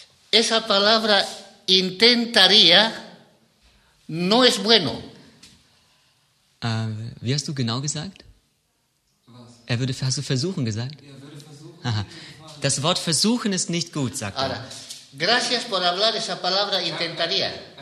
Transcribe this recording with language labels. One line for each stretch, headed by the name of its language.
Spanish: Esa palabra intentaría no es bueno.
German: ¿Wie hast du genau gesagt? Was? Hast du versuchen gesagt? Versuchen. Das Wort versuchen ist nicht gut, sagt
Spanish: Ahora.
German: Er.
Spanish: Gracias por hablar esa palabra intentaría.